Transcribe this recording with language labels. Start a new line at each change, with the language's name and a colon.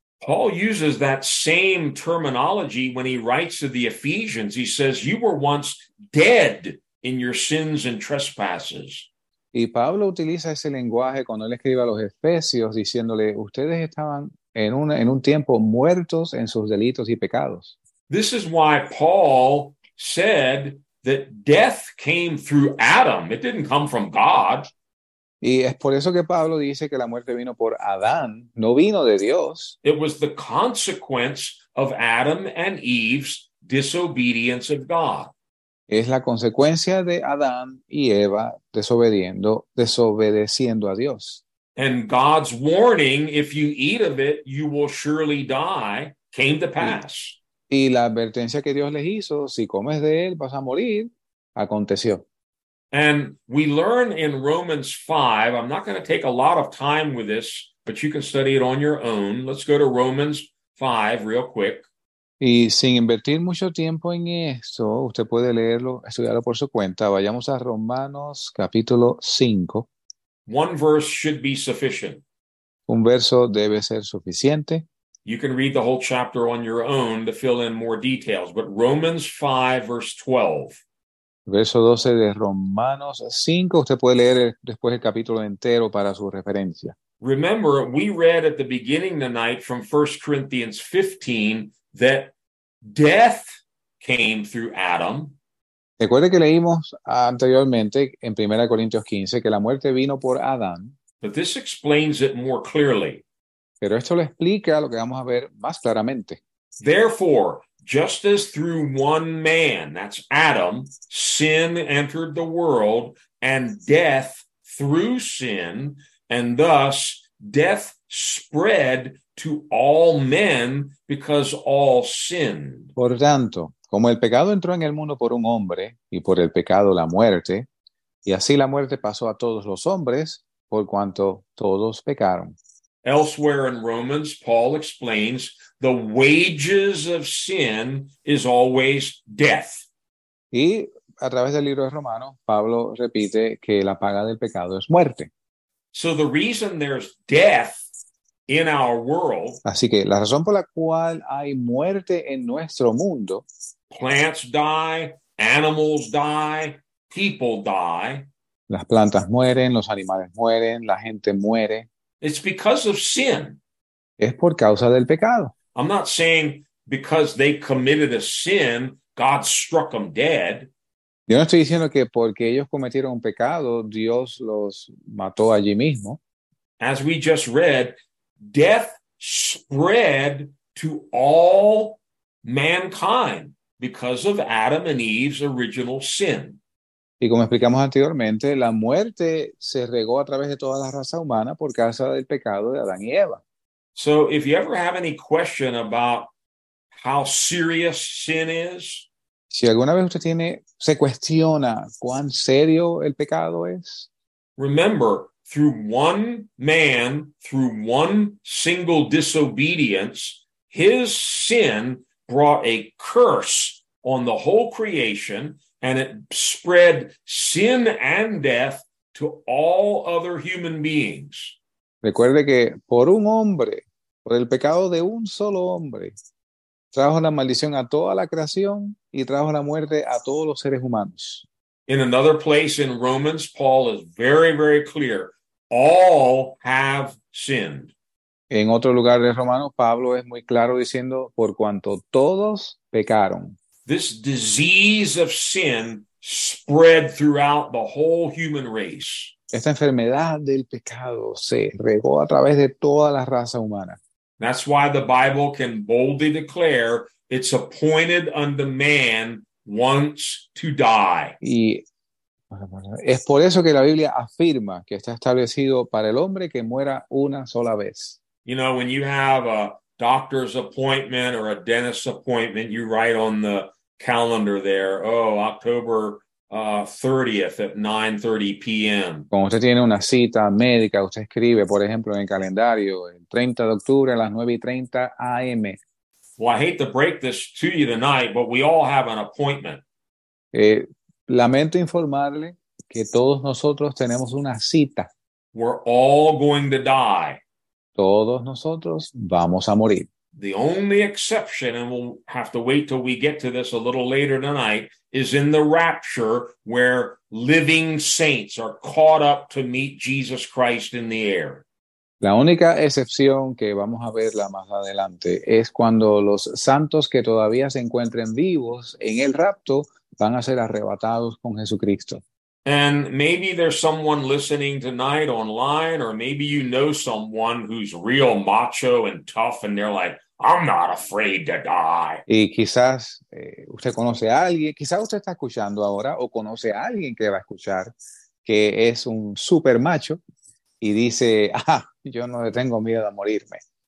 English: Paul uses that same terminology when he writes to the Ephesians. He says, you were once dead in your sins and trespasses.
Spanish: Y Pablo utiliza ese lenguaje cuando él escribe a los Efesios diciéndole, ustedes estaban en un tiempo muertos en sus delitos y pecados.
English: This is why Paul said that death came through Adam. It didn't come from God.
Spanish: Y es por eso que Pablo dice que la muerte vino por Adán, no vino de Dios.
English: It was the consequence of Adam and Eve's disobedience of God.
Spanish: Es la consecuencia de Adán y Eva desobedeciendo a Dios.
English: And God's warning, if you eat of it, you will surely die, came to pass.
Spanish: Y la advertencia que Dios les hizo, si comes de él, vas a morir, aconteció.
English: And we learn in Romans 5, I'm not going to take a lot of time with this, but you can study it on your own. Let's go to Romans 5 real quick.
Spanish: Y sin invertir mucho tiempo en esto, usted puede leerlo, estudiarlo por su cuenta. Vayamos a Romanos capítulo 5.
English: One verse should be sufficient.
Spanish: Un verso debe ser suficiente.
English: You can read the whole chapter on your own to fill in more details, but Romans 5 verse 12.
Spanish: Verso 12 de Romanos 5, usted puede leer después el capítulo entero para su referencia.
English: Remember, we read at the beginning tonight from 1 Corinthians 15 that death came through Adam.
Spanish: Recuerde que leímos anteriormente en 1 Corintios 15 que la muerte vino por Adán.
English: But this explains it more clearly.
Spanish: Pero esto lo explica lo que vamos a ver más claramente.
English: Therefore, just as through one man, that's Adam, sin entered the world, and death through sin, and thus death spread to all men because all sinned.
Spanish: Por tanto, como el pecado entró en el mundo por un hombre, y por el pecado la muerte, y así la muerte pasó a todos los hombres, por cuanto todos pecaron.
English: Elsewhere in Romans, Paul explains the wages of sin is always death.
Spanish: Y a través del libro de Romanos, Pablo repite que la paga del pecado es muerte.
English: So the reason there's death in our world,
Spanish: así que la razón por la cual hay muerte en nuestro mundo,
English: plants die, animals die, people die.
Spanish: Las plantas mueren, los animales mueren, la gente muere.
English: It's because of sin.
Spanish: Es por causa del pecado.
English: I'm not saying because they committed a sin, God struck them dead.
Spanish: Yo no estoy diciendo que porque ellos cometieron un pecado, Dios los mató allí mismo.
English: As we just read, death spread to all mankind because of Adam and Eve's original sin.
Spanish: Y como explicamos anteriormente, la muerte se regó a través de toda la raza humana por causa del pecado de Adán y Eva.
English: So, if you ever have any question about how serious sin is,
Spanish: si alguna vez usted se cuestiona cuán serio el pecado es,
English: remember, through one man, through one single disobedience, his sin brought a curse on the whole creation. And it spread sin and death to all other human beings.
Spanish: Recuerde que por un hombre, por el pecado de un solo hombre, trajo la maldición a toda la creación y trajo la muerte a todos los seres humanos.
English: In another place in Romans, Paul is very, very clear. All have sinned.
Spanish: En otro lugar de Romanos, Pablo es muy claro diciendo, por cuanto todos pecaron.
English: This disease of sin spread throughout the whole human race.
Spanish: Esta enfermedad del pecado se regó a través de toda la raza humana.
English: That's why the Bible can boldly declare it's appointed unto man once to die.
Spanish: Y es por eso que la Biblia afirma que está establecido para el hombre que muera una sola vez.
English: You know, when you have a doctor's appointment or a dentist appointment, you write on the calendar there, oh, October 30th at 9:30 p.m.
Spanish: Cuando usted tiene una cita médica, usted escribe, por ejemplo, en el calendario, el 30 de octubre a las 9:30 a.m.
English: Well, I hate to break this to you tonight, but we all have an appointment.
Spanish: Lamento informarle que todos nosotros tenemos una cita.
English: We're all going to die.
Spanish: Todos nosotros vamos a morir.
English: The only exception, and we'll have to wait till we get to this a little later tonight, is in the rapture where living saints are caught up to meet Jesus Christ in the air.
Spanish: La única excepción que vamos a verla más adelante es cuando los santos que todavía se encuentren vivos en el rapto van a ser arrebatados con Jesucristo.
English: And maybe there's someone listening tonight online, or maybe you know someone who's real macho and tough, and they're like, I'm not afraid to die.
Spanish: Y quizás usted conoce a alguien, quizás usted está escuchando ahora, o conoce a alguien que va a escuchar, que es un super macho, y dice, ah, yo no le tengo miedo a morirme.